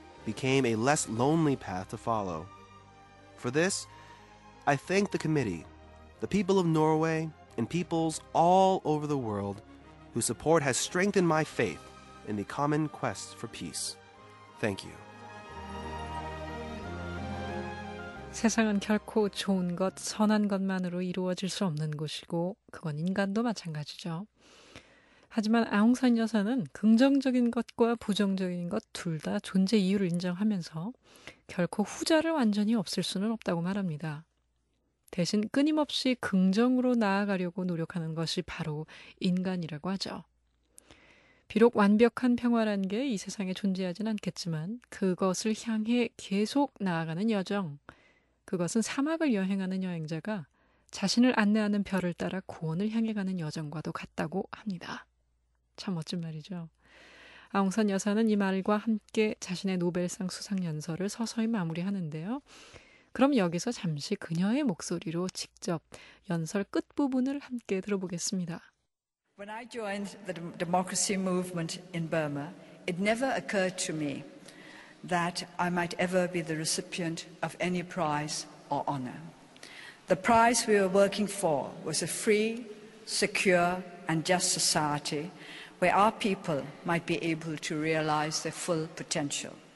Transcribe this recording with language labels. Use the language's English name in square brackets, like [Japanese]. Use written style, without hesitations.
[English] became a less lonely path to follow. For this, I thank the committee, the people of Norway, and peoples all over the world whose support has strengthened my faith in the common quest for peace. Thank you. [Korean] 세상은 결코 좋은 것, 선한 것만으로 이루어질 수 없는 곳이고 그건 인간도 마찬가지죠. 하지만 아웅산 여사는 긍정적인 것과 부정적인 것 둘 다 존재 이유를 인정하면서 결코 후자를 완전히 없앨 수는 없다고 말합니다. 대신 끊임없이 긍정으로 나아가려고 노력하는 것이 바로 인간이라고 하죠. 비록 완벽한 평화란 게 이 세상에 존재하진 않겠지만 그것을 향해 계속 나아가는 여정, 그것은 사막을 여행하는 여행자가 자신을 안내하는 별을 따라 고원을 향해 가는 여정과도 같다고 합니다. 참 멋진 말이죠. 아웅산 여사는 이 말과 함께 자신의 노벨상 수상 연설을 서서히 마무리하는데요. 그럼 여기서 잠시 그녀의 목소리로 직접 연설 끝부분을 함께 들어보겠습니다. [English] When I joined the democracy movement in Burma, it never occurred to me that I might ever be the recipient of any prize or honor. The prize we were working for was a free, secure, and just society where our people might be able to realize their full potential.